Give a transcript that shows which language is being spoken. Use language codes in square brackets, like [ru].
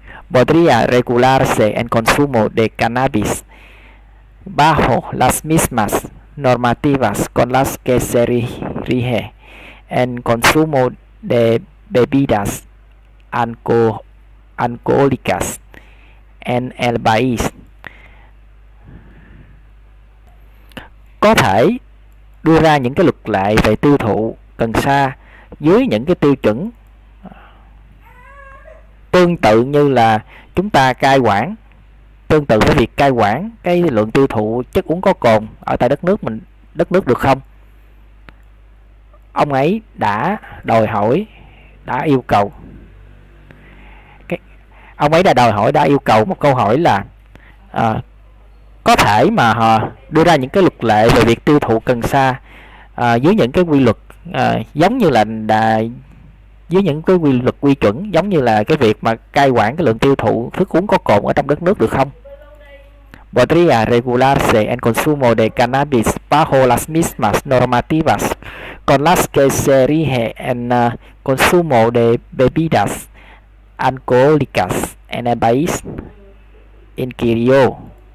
[es] Podría regularse el consumo de cannabis bajo las mismas normativas con las que se rige el consumo de bebidas alcohólicas en el país. [vi] Có thể đưa ra những cái luật lệ về tiêu thụ cần sa dưới những cái tiêu chuẩn tương tự như là chúng ta cai quản, tương tự với việc cai quản cái lượng tiêu thụ chất uống có cồn ở tại đất nước mình, đất nước được không? Ông ấy đã đòi hỏi, đã yêu cầu, ông ấy đã đòi hỏi, đã yêu cầu một câu hỏi là có thể mà họ đưa ra những cái luật lệ về việc tiêu thụ cần sa dưới những cái quy luật giống như là dưới những cái quy luật quy chuẩn giống như là cái việc mà cai quản cái lượng tiêu thụ thức uống có cồn ở trong đất nước được không? [es] Podría regularse el consumo de cannabis bajo las mismas normativas con las que se rige el consumo de bebidas alcohólicas en el país. Inquirió.